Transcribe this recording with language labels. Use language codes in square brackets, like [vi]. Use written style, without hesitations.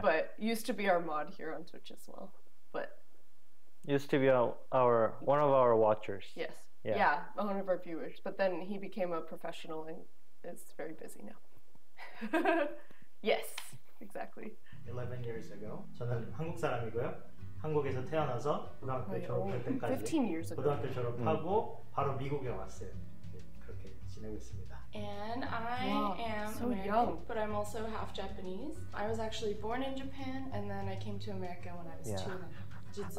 [en] But used to be our mod here on Twitch as well. But used to be our one of our watchers. Yes. Yeah. Yeah, one of our viewers. But then he became a professional and is very busy now. Yes, exactly. 11 years ago. [ko] 저는 한국 사람이고요. 한국에서 태어나서 고등학교 졸업할 때까지 [en] 15 years ago. [ko] 고등학교 졸업하고 바로 미국에 왔어요. 그렇게 지내고 있습니다. [en] And I am so American, young. But I'm also half Japanese. I was actually born in Japan, and then I came to America when I was two.